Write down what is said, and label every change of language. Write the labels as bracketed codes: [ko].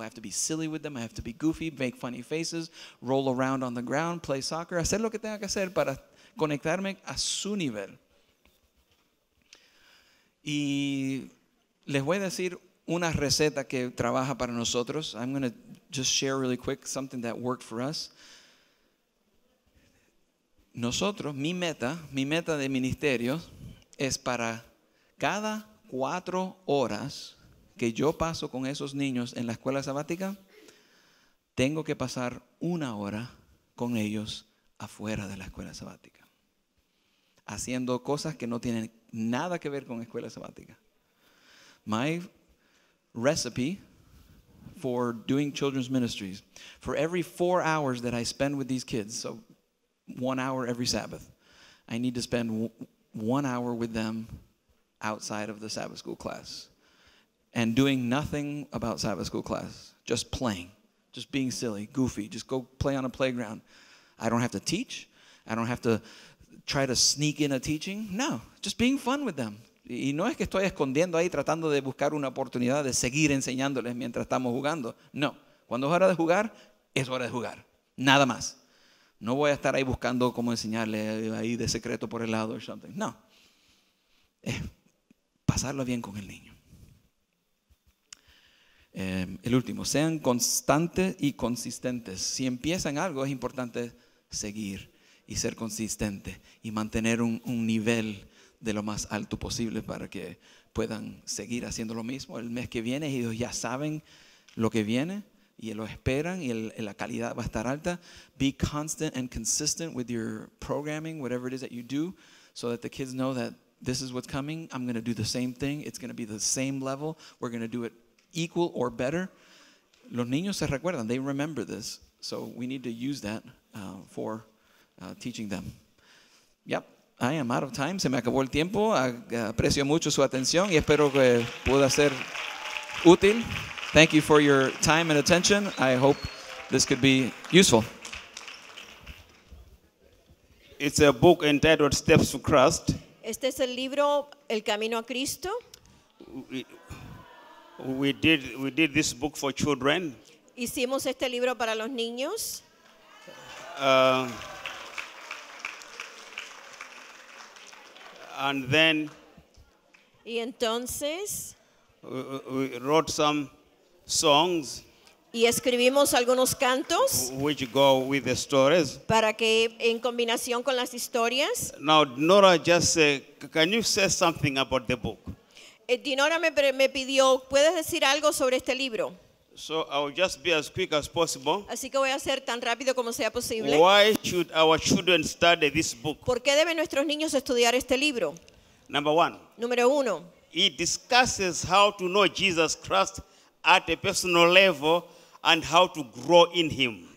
[en] I have to be silly with them. I have to be goofy, make funny faces, roll around on the ground, play soccer. [es] Hacer lo que tenga que hacer para conectarme a su nivel. Y les voy a decir una receta que trabaja para nosotros. [en] I'm going to just share really quick something that worked for us. [es] Nosotros, mi meta de ministerio es para cada 4 horas que yo paso con esos niños en la escuela sabática, tengo que pasar 1 hora con ellos afuera de la escuela sabática, haciendo cosas que no tienen nada que ver con escuela sabática. [en] My recipe for doing children's ministries, for every 4 hours that I spend with these kids, so 1 hour every Sabbath, I need to spend 1 hour with them outside of the Sabbath school class and doing nothing about Sabbath school class, just playing, just being silly, goofy, just go play on a playground. I don't have to teach. I don't have to try to sneak in a teaching. No, just being fun with them. [es] Y no es que estoy escondiendo ahí tratando de buscar una oportunidad de seguir enseñándoles mientras estamos jugando. No, cuando es hora de jugar, es hora de jugar. Nada más. No voy a estar ahí buscando cómo enseñarle ahí de secreto por el lado o something. No. Es pasarlo bien con el niño. El último. Sean constantes y consistentes. Si empiezan algo, es importante seguir y ser consistente y mantener un nivel de lo más alto posible para que puedan seguir haciendo lo mismo el mes que viene. Ellos ya saben lo que viene y lo esperan y la calidad va a estar alta. [en] Be constant and consistent with your programming, whatever it is that you do, so that the kids know that this is what's coming. I'm going to do the same thing. It's going to be the same level. We're going to do it equal or better. [es] Los niños se recuerdan. [en] They remember this. So we need to use that for teaching them. Yep. I am out of time. [es] Se me acabó el tiempo. Aprecio mucho su atención y espero que pueda ser útil. [en] Thank you for your time and attention. I hope this could be useful. It's a book entitled Steps to Christ. [es] Este es el libro El Camino a Cristo. [en] We did this book for children. [es] Hicimos este libro para los niños. [en] And then [es] y entonces, [en] we wrote some songs [es] y escribimos algunos cantos, [en] which go with the stories, [es] para que en combinación con las historias. [en] Now Nora just said, can you say something about the book? [es] Dinora me pidió, ¿puedes decir algo sobre este libro? [en] So I'll just be as quick as possible. [es] Así que voy a ser tan rápido como sea posible. [en] Why should our children study this book? [es] ¿Por qué deben nuestros niños estudiar este libro? [en] Number one. [es] Número uno. [en] It discusses how to know Jesus Christ at a personal level and how to grow in him.